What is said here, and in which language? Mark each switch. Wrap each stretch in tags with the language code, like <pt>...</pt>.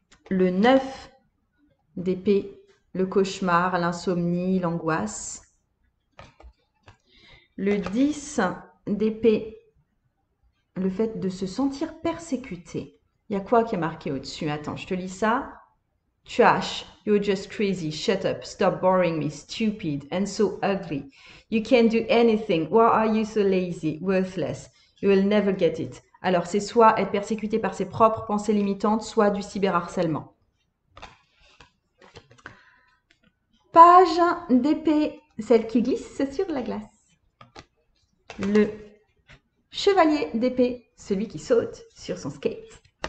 <fr>Le 9 d'épée, le cauchemar, l'insomnie, l'angoisse. Le 10 d'épée, le fait de se sentir persécuté. Il y a quoi qui est marqué au-dessus? Attends, je te lis ça.</fr> <en>Trash, you're just crazy, shut up, stop boring me, stupid and so ugly. You can't do anything, why are you so lazy, worthless, you will never get it.</en> <fr>Alors, c'est soit être persécuté par ses propres pensées limitantes, soit du cyberharcèlement. Page d'épée, celle qui glisse sur la glace. Le chevalier d'épée, celui qui saute sur son skate.</fr>